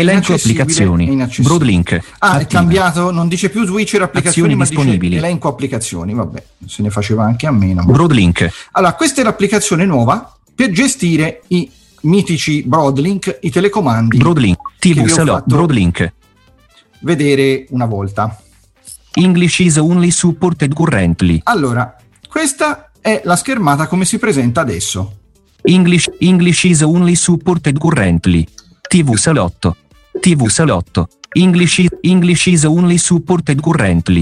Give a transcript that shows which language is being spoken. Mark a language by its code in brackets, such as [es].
[it] elenco applicazioni. Broadlink. Ah, attiva. È cambiato, non dice più switcher applicazioni ma disponibili. Dice elenco applicazioni, vabbè, se ne faceva anche a meno. Broadlink. Allora, questa è l'applicazione nuova per gestire i mitici Broadlink, i telecomandi. Broadlink, TV, salò, Broadlink. Vedere una volta. [en] English is only supported currently. [it] Allora, questa è la schermata come si presenta adesso. [en] English is only supported currently. [it] TV salotto. TV salotto. [en] English is only supported currently.